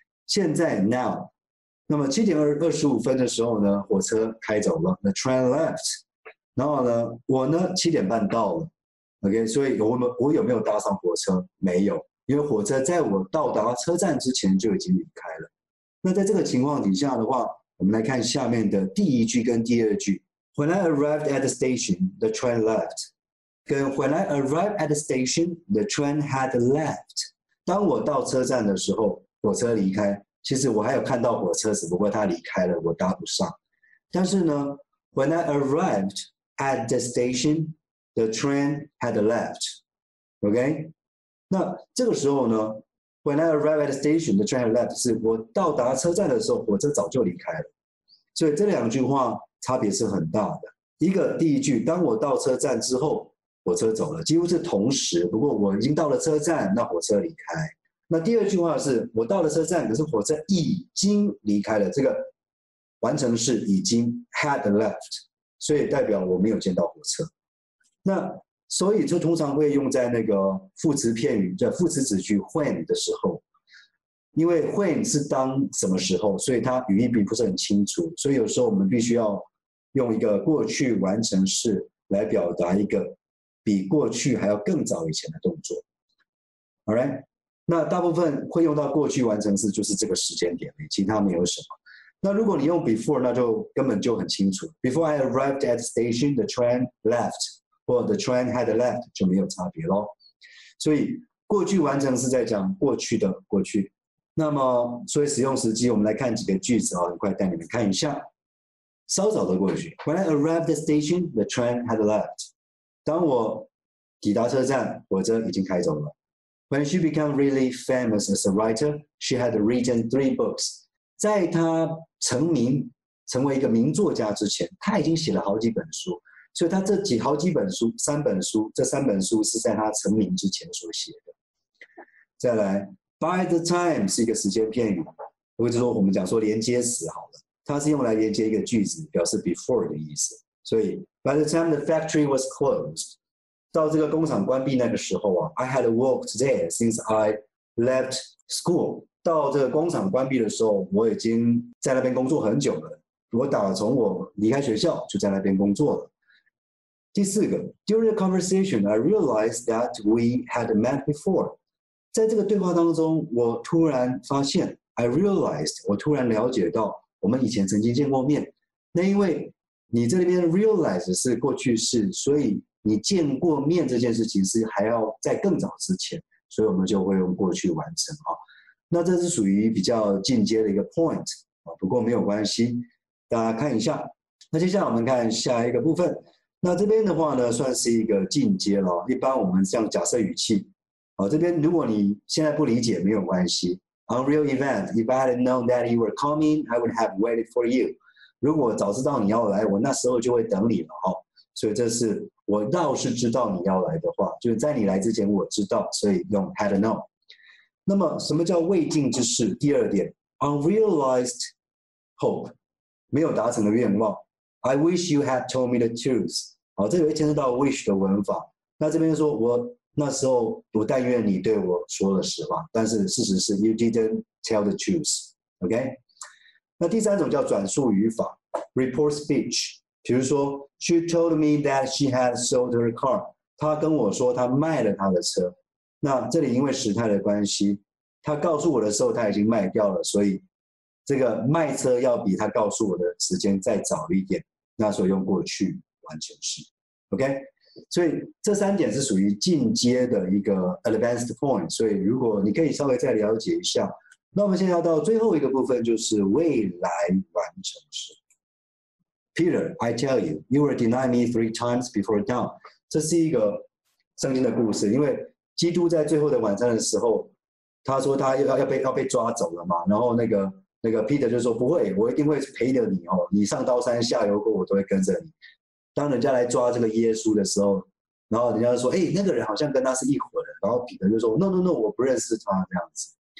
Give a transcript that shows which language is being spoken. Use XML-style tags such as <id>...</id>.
<zh>现在</zh> <en>now，</en> <zh>那么7:25的时候呢，火车开走了 ，</zh> <en>the train left。</en> <zh>然后呢，我呢7:30到了 ，OK， 所以我有没有搭上火车？没有，因为火车在我到达车站之前就已经离开了。那在这个情况底下的话，我们来看下面的第一句跟第二句。</zh> <en>When I arrived at the station, the train left.</en> <zh>跟</zh> <en>When I arrived at the station, the train had left.</en> <zh>当我到车站的时候，火车离开。其实我还有看到火车，只不过它离开了，我搭不上。但是呢</zh> <en>，When I arrived at the station, the train had left. OK，</en> <zh>那这个时候呢</zh> <en>，When I arrived at the station, the train had left.</en> <zh>是我到达车站的时候，火车早就离开了。所以这两句话差别是很大的。一个第一句，当我到车站之后，火车走了，几乎是同时。不过我已经到了车站，那火车离开。那第二句话是，我到了车站，可是火车已经离开了。这个完成式已经</zh> <en>had left，</en> <zh>所以代表我没有见到火车。那所以就通常会用在那个副词片语，叫副词子句 when 的时候。因为 when 是当什么时候，所以它语义并不是很清楚，所以有时候我们必须要用一个过去完成式来表达一个比过去还要更早以前的动作。</zh> <en>All right，</en> <zh>那大部分会用到过去完成式就是这个时间点，其他没有什么。那如果你用 before， 那就根本就很清楚。</zh> <en>Before I arrived at the station, the train left，</en> <zh>或</zh> <en>the train had left</en> <zh>就没有差别咯。所以过去完成式在讲过去的过去。那么所以使用时机，我们来看几个句子，很快带你们看一下。稍早的过去，</zh> <en>When I arrived the station, the train had left.</en> <zh>当我抵达车站，火车已经开走了。</zh> <en>When she became really famous as a writer, she had written 3 books.</en> <zh>在她成名成为一个名作家之前，她已经写了好几本书。所以她这几好几本书，三本书，这三本书是在她成名之前所写的。再来，By the time 是一个时间片语，或者说我们讲说连接词好了，它是用来连接一个句子，表示 before 的意思。所以</zh> <en>by the time the factory was closed，</en> <zh>到这个工厂关闭那个时候啊</zh> <en>，I had worked there since I left school。</en> <zh>到这个工厂关闭的时候，我已经在那边工作很久了。我打从我离开学校就在那边工作了。第四个 ，</zh> <en>during the conversation， I realized that we had met before。</en> <zh>在这个对话当中，我突然发现 ，</zh> <en>I realized，</en> <zh>我突然了解到，我们以前曾经见过面。那因为你这里面 realize 是过去式，所以你见过面这件事情是还要在更早之前，所以我们就会用过去完成啊。那这是属于比较进阶的一个 point 啊，不过没有关系，大家看一下。那接下来我们看下一个部分。那这边的话呢，算是一个进阶了。一般我们像假设语气。好，这边如果你现在不理解没有关系。</zh> <en>Unreal event, if I had known that you were coming, I would have waited for you.</en> <zh>如果早知道你要来，我那时候就会等你了。所以这是我倒是知道你要来的话，就是在你来之前我知道，所以用 had known。那么什么叫未尽之事？第二点 ，</zh> <en>unrealized hope，</en> <zh>没有达成的愿望。</zh> <en>I wish you had told me the truth。</en> <zh>好，这有一牵涉到 wish 的文法。那这边说我。那时候我但愿你对我说了实话，但是事实是</zh> <en>you didn't tell the truth, OK?</en> <zh>那第三种叫转述语法</zh> <en>report speech, 比如说 ，She told me that she had sold her car.</en> <zh>她跟我说她卖了她的车。那这里因为时态的关系，她告诉我的时候她已经卖掉了，所以这个卖车要比她告诉我的时间再早一点。那时候用过去完成式 ，OK。所以这三点是属于进阶的一个</zh> <en>advanced point。</en> <zh>所以如果你可以稍微再了解一下，那我们现在要到最后一个部分，就是未来完成式。</zh> <en>Peter, I tell you, you will deny me three times before dawn.</en> <zh>这是一个圣经的故事，因为基督在最后的晚餐的时候，他说他 要被抓走了嘛，然后那个 Peter 就说不会，我一定会陪着你哦，你上刀山下油锅我都会跟着你。当人家来抓这个耶稣的时候，然后人家就说，那个人好像跟他是一伙的，然后彼得就说 ，No， 我不认识他这样子。</zh>